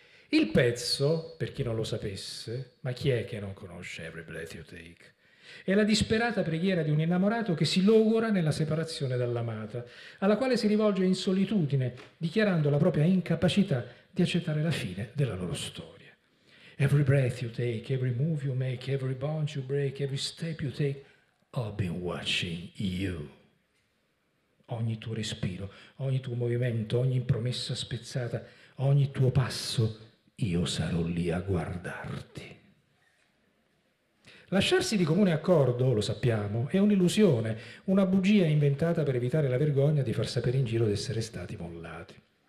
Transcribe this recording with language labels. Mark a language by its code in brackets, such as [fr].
[it] Il pezzo, per chi non lo sapesse, ma chi è che non conosce Every Breath You Take? È la disperata preghiera di un innamorato che si logora nella separazione dall'amata, alla quale si rivolge in solitudine, dichiarando la propria incapacità di accettare la fine della loro storia. [en] Every breath you take, every move you make, every bond you break, every step you take, I've been watching you. [it] Ogni tuo respiro, ogni tuo movimento, ogni promessa spezzata, ogni tuo passo, io sarò lì a guardarti. Lasciarsi di comune accordo, lo sappiamo, è un'illusione, una bugia inventata per evitare la vergogna di far sapere in giro di essere stati mollati.